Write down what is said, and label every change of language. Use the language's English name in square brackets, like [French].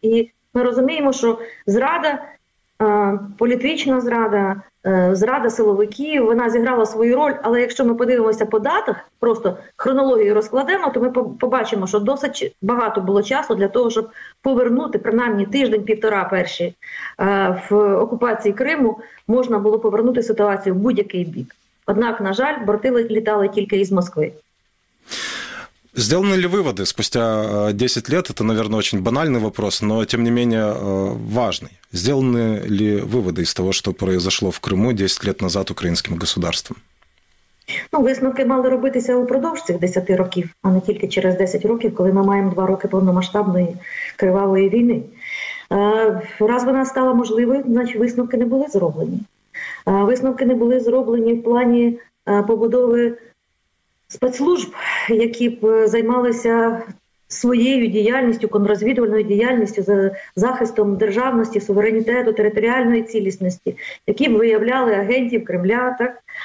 [Ukrainian] І ми розуміємо, що зрада, політична зрада, зрада силовиків, вона зіграла свою роль, але якщо ми подивимося по датах, просто хронологію розкладемо, то ми побачимо, що досить багато було часу для того, щоб повернути принаймні тиждень-півтора перші в окупації Криму, можна було повернути ситуацію в будь-який бік. Однак, на жаль, борти літали тільки із Москви. [Russian] Сделаны ли выводы спустя 10 лет? Это, наверное, очень банальный вопрос, но, тем не менее, важный. Сделаны ли выводы из того, что произошло в Крыму 10 лет назад украинским государством? [Ukrainian] Ну, висновки мали робитися упродовж цих 10 років, а не тільки через 10 років, коли ми маємо 2 роки повномасштабної кривавої війни. Раз вона стала можливою, значить висновки не були зроблені. Висновки не були зроблені в плані побудови спецслужб, які б займалися своєю діяльністю, контррозвідувальною діяльністю, захистом державності, суверенітету, територіальної цілісності, які б виявляли агентів Кремля. Так?